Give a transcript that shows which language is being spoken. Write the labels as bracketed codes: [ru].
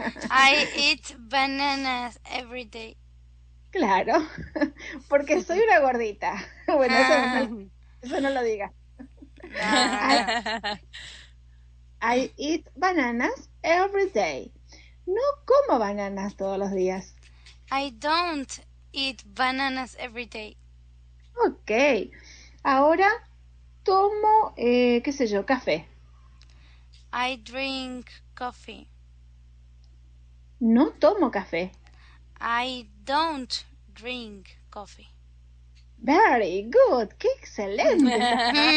[en] I eat bananas every day. [es] Claro, porque soy una gordita. Bueno, eso no lo diga. [en] I eat bananas every day. [es] No como bananas todos los días. [en] I don't eat bananas every day. [es] Ok, ahora tomo, qué sé yo, café. [en] I drink coffee. [es] No tomo café. [en] I don't drink coffee. Very good, [es] qué excelente estás.